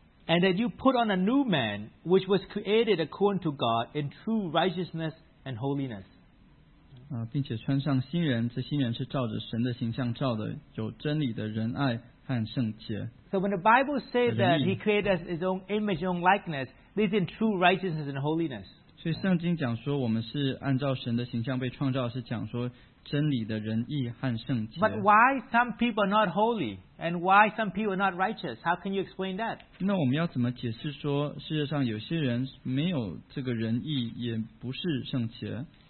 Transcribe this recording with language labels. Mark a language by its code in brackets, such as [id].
[en] And that you put on a new man, which was created according to God in true righteousness and holiness. [zh] 并且穿上新人，这新人是照着神的形象照的，有真理的仁爱和圣洁。 [en] So when the Bible says that He created us His own image, His own likeness, this is in true righteousness and holiness. [zh] 所以圣经讲说，我们是按照神的形象被创造，是讲说真理的仁义和圣洁。 [en] But why some people are not holy, and why some people are not righteous? How can you explain that? [zh] 那我们要怎么解释说，世界上有些人没有这个仁义，也不是圣洁？